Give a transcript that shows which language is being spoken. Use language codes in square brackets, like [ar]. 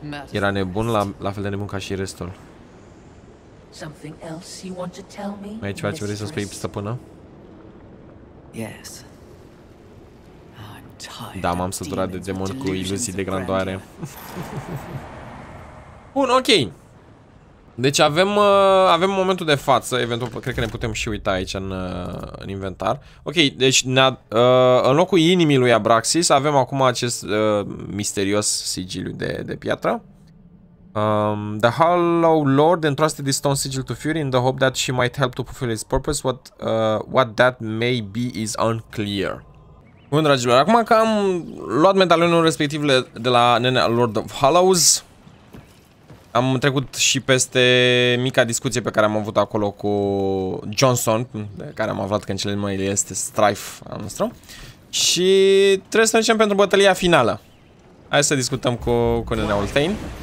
[ro] Era nebun la fel de nebun ca și restul. [en] Something else you want to tell me? [ro] Mai ceva ce vrei să spui, stăpână? [en] Yes. [ro] Da, m-am săturat de demoni cu iluzii de grandoare. Bun, ok. Deci avem momentul de față, eventual cred că ne putem și uita aici în inventar. Ok, deci în locul inimii lui Abraxis avem acum acest misterios sigiliu de piatră. [en] The Hollow Lord entrusted the stone sigil to Fury in the hope that she might help to fulfill his purpose. What that may be is unclear. [ro] Bun, dragilor, acum că am luat medalionul respectiv de la nenea Lord of Hollows, am trecut și peste mica discuție pe care am avut acolo cu Johnson, de care am aflat că în cele din mai este Strife al nostru. Și trebuie să mergem pentru bătălia finală. Hai să discutăm cu nenea Ultain.